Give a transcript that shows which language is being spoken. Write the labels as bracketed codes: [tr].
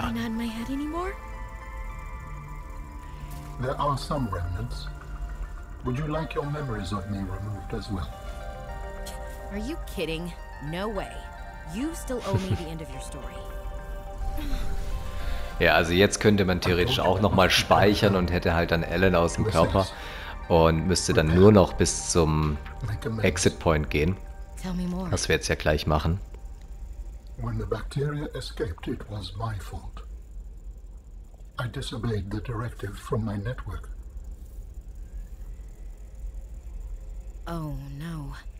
[en] Am I not in my head anymore? There are some remnants. Would you like your memories of me removed as well? Are you kidding? No way. You still owe me the end of your story. [de] Ja, also jetzt könnte man theoretisch auch nochmal speichern und hätte halt dann Ellen aus dem Körper und müsste dann nur noch bis zum Exit-Point gehen, was wir jetzt ja gleich machen. [en] When the bacteria escaped, it was my fault. I disobeyed the directive from my network. Oh no.